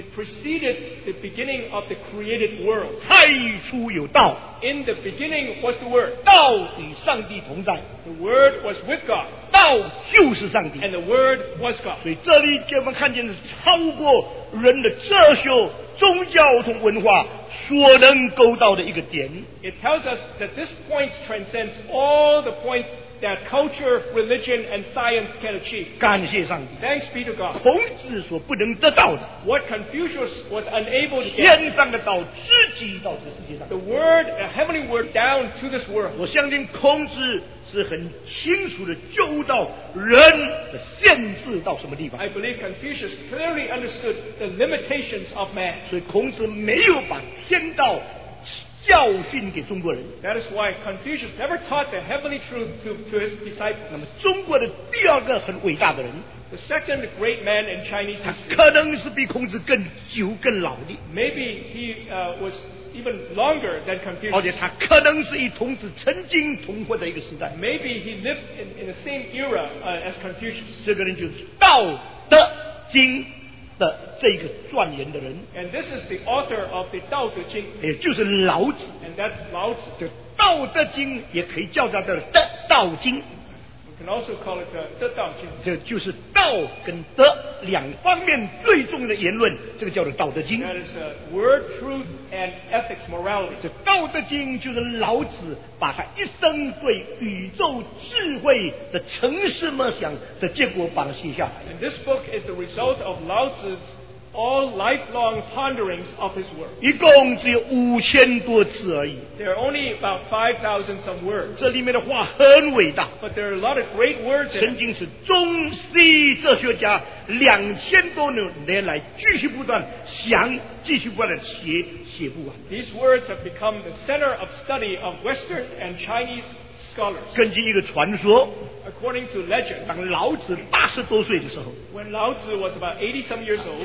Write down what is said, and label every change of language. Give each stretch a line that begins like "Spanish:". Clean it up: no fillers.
English: It preceded the beginning of the created world.
Chinese: 太初有道。
English: In the beginning was the word.
Chinese: 道与上帝同在。
English: The word was with God.
Chinese: 道就是上帝。
English: And the word was God.
Chinese: 所以这里给我们看见是超过人的哲学、宗教和文化所能够到的一个点。
English: It tells us that this point transcends all the points that culture, religion, and science can achieve.
Chinese: 感谢上帝。
English: Thanks be to God.
Chinese: 孔子所不能得到的。
English: What Confucius was unable to get.
Chinese: 天上的道直击到这世界上。
English: The word, the heavenly word down to this world.
Chinese: 我相信孔子是很清楚的揪到人的限制到什么地方。
English: I believe Confucius clearly understood the limitations of man.
Chinese: 所以孔子没有把天道教训给中国人。
English: That is why Confucius never taught the heavenly truth to his disciples.
Chinese: 那么中国的第二个很伟大的人，
English: the second great man in Chinese history,
Chinese: 他可能是比孔子更久更老的。
English: Maybe he was even longer than Confucius.
Chinese: 而且他可能是与孔子曾经同活在一个时代。
English: Maybe he lived in the same era as Confucius.
Chinese: 这个人就是《道德经》的这个撰言的人。
English: And this is the author of the 道德经》。
Chinese: 也就是老子。
English: And that's 老子。
Chinese: 这《道德经》也可以叫做的《德道经》。
English: We can also call it the 德道经》。
Chinese: 这就是道跟德两方面最重的言论，这个叫做《道德经》。
English: That is word, truth, and ethics, morality.
Chinese: 这《道德经》就是老子把他一生对宇宙智慧的沉思梦想的结果把它写下来。
English: And this book is the result of Lao Zi's all lifelong ponderings of his work.
Chinese: 一共只有5000多字而已。
English: There are only about 5,000 some words.
Chinese: 这里面的话很伟大。
English: But there are a lot of great words.
Chinese: 曾经是中西哲学家2000多年来继续不断想，继续不断写，写不完。
English: These words have become the center of study of Western and Chinese scholars.
Chinese: 根据一个传说，
English: According to legend,
Chinese: 当老子80多岁的时候，
English: When Lao Zi was about 80 some years old,